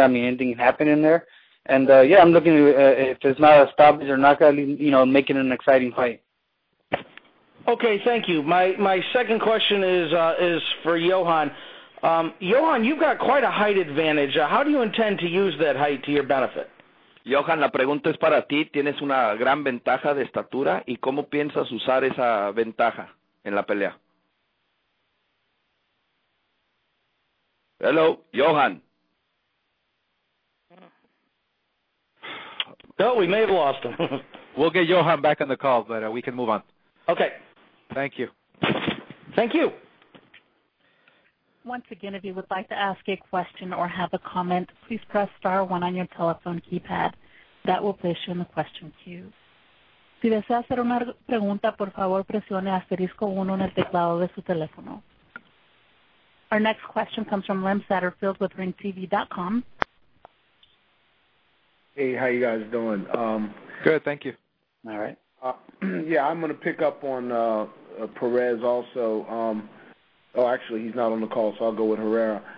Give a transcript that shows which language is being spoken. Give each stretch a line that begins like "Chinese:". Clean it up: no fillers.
English: I mean, anything can happen in there, and yeah, I'm looking to, if it's not a stoppage or not going to, you know, make it an exciting fight. Okay, thank you. My second question is for Johan. Johan, you've got quite a height advantage. How do you intend to use that height to your benefit?
Spanish: Johan, la pregunta es para ti. Tienes una gran ventaja de estatura, y cómo piensas usar esa ventaja en la pelea?
English: Hello, Johan. No, we may have lost him. We'll get Johan back on the call, but we can move on. Okay. Thank you. Thank you. Once again, if you would like to ask a question or have a comment, please press star 1 on your telephone keypad. That will place you in the question queue.
Spanish: Si desea hacer una pregunta, por favor, presione asterisco 1 en el teclado de su teléfono.
English: Our next question comes from Lem Satterfield with RingTV.com. Hey, how you guys doing? Good, thank you. All right. Yeah, I'm going to pick up on Perez also. Oh, actually, he's not on the call, so I'll go with Herrera.